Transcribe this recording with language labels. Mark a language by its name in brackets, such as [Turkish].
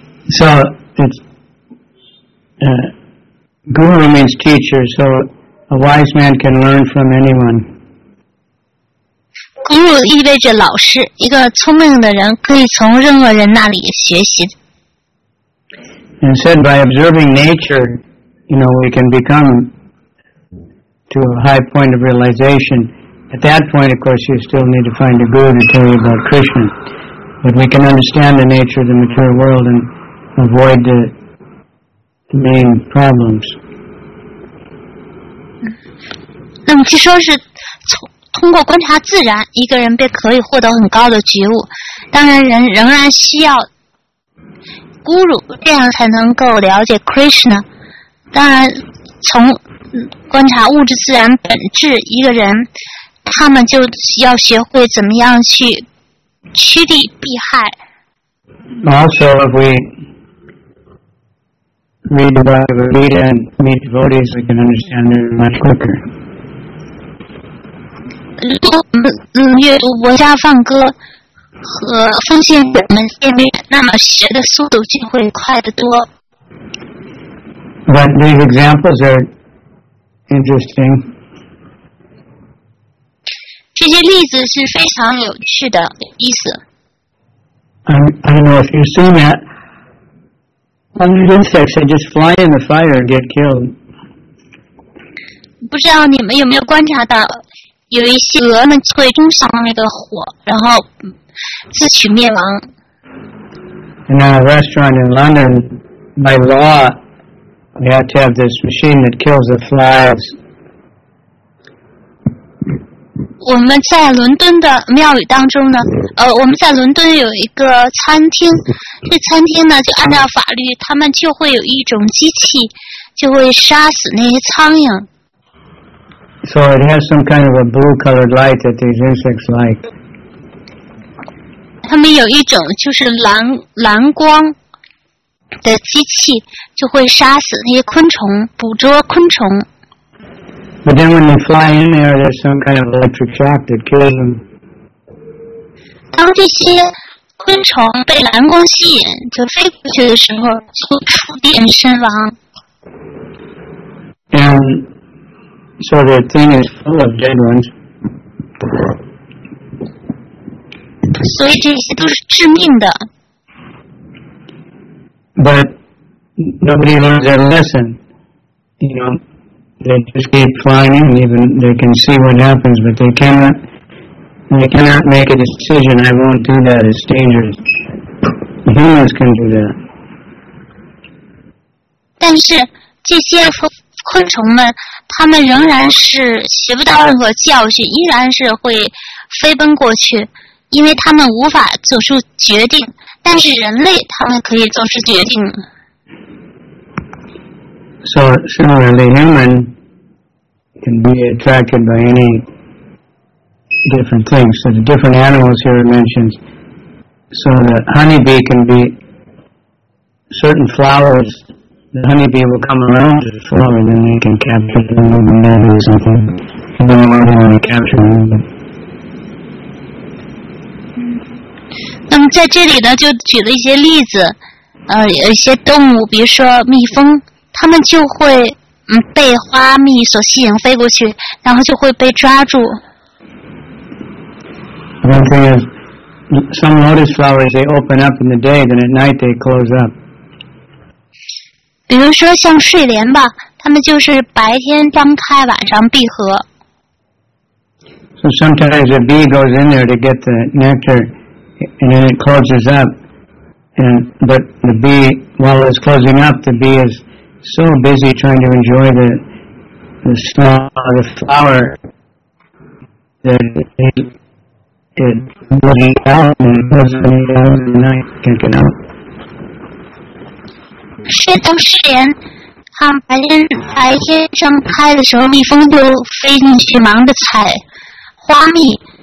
[English] So it's Guru means teacher, so a wise man can learn from anyone. [Chinese] Guru 意味着老师，一个聪明的人可以从任何人那里学习。 [English] And said by observing nature, you know, we can become to a high point of realization. At that point, of course, you still need to find a guru to tell you about Krishna. But we can understand the nature of the material world and avoid the main problems. [Chinese] 那么据说是通过观察自然，一个人便可以获得很高的觉悟。当然，人仍然需要guru，这样才能够了解 Krishna。当然，从观察物质自然本质，一个人他们就要学会怎么样去趋利避害。 [English] Also, if we read about the Vedas and meet devotees, we can understand it much quicker. [Chinese] 如果我们阅读《博伽梵歌》和奉献者们见面，那么学的速度就会快得多。 [English] But these examples are interesting. [Chinese] 这些例子是非常有趣的意思。 [English] I don't know if you've seen that. Hundred insects that just fly in the fire and get killed. [Chinese] 不知道你们有没有观察到，有一些蛾们会中上那个火，然后自取灭亡。 [English] In a restaurant in London, by law. We have to have this machine that kills the flies. [Chinese] 我们在伦敦的庙宇当中呢，我们在伦敦有一个餐厅，这餐厅呢就按照法律，他们就会有一种机器，就会杀死那些苍蝇。 [English] So it has some kind of a blue colored light that these insects like. [Chinese] 他们有一种就是蓝光的机器，就会杀死那些昆虫，捕捉昆虫。 [English] But then when they fly in there, there's some kind of electric shock that kills them. [Chinese] 当这些昆虫被蓝光吸引，就飞过去的时候，就触电身亡。 [English] And so the thing is full of dead ones. [Chinese] 所以这些都是致命的。 [English] But nobody learns their lesson, They just keep flying, even they can see what happens, but they cannot make a decision, I won't do that, it's dangerous. Humans can do that. [Chinese] 但是这些昆虫们，它们仍然是学不到任何教训，依然是会飞奔过去，因为它们无法做出决定，但是人类它们可以做出决定。 [English] So similarly, human can be attracted by any different things. So the different animals here are mentioned. So the honeybee can be certain flowers. The honeybee will come around to the flower, and then they can capture them with the net or something. And then they might want to capture them. [Chinese] 那么在这里呢，就举了一些例子，有一些动物，比如说蜜蜂。他们就会被花蜜所吸引飞过去，然后就会被抓住。 [English] One thing is, some lotus flowers they open up in the day, then at night they close up. [Chinese] 比如说像睡莲吧，他们就是白天张开，晚上闭合。 [English] So sometimes a bee goes in there to get the nectar, and then it closes up. But the bee, while it's closing up, the bee is so busy trying to enjoy the smell of the flower that it doesn't out and doesn't out in the night can't get out. [Chinese] 睡到睡莲，它白天张开的时候，蜜蜂就飞进去忙着采花蜜。